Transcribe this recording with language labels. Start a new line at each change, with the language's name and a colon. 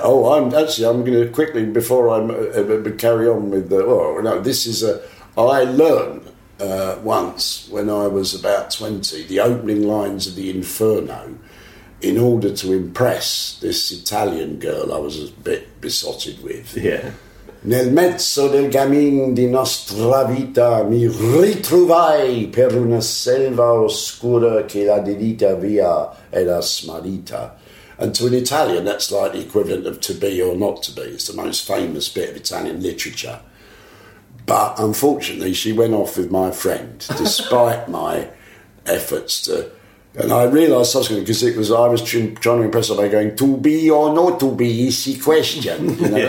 English: Oh, I'm going to quickly, before I carry on with the... Oh, no, this is a... I learned once when I was about 20, the opening lines of the Inferno, in order to impress this Italian girl I was a bit besotted with. Yeah.
Italian: Nel mezzo del cammin di nostra vita mi ritrovai per una selva oscura che la dedita via era smarrita.
English: And to an Italian, that's like the equivalent of to be or not to be. It's the most famous bit of Italian literature. But unfortunately, she went off with my friend, despite my efforts to... And I realised subsequently, because I was trying to impress her by going, to be or not to be is the question. You know, yeah.